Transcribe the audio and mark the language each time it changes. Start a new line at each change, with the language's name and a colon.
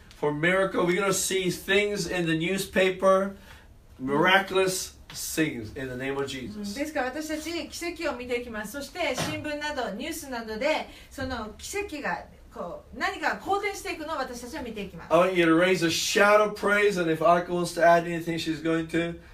English: For miracle, we're gonna see things in the newspaper, miraculous things in the name of Jesus.
Japanese: ですから私たち奇跡を見ていきます。そして新聞などニュースなどでその奇跡がこう何か好転していくのを私たちは見ていきます。
English: I want you to raise a shout of praise, and if Aiko wants to add anything, she's going to.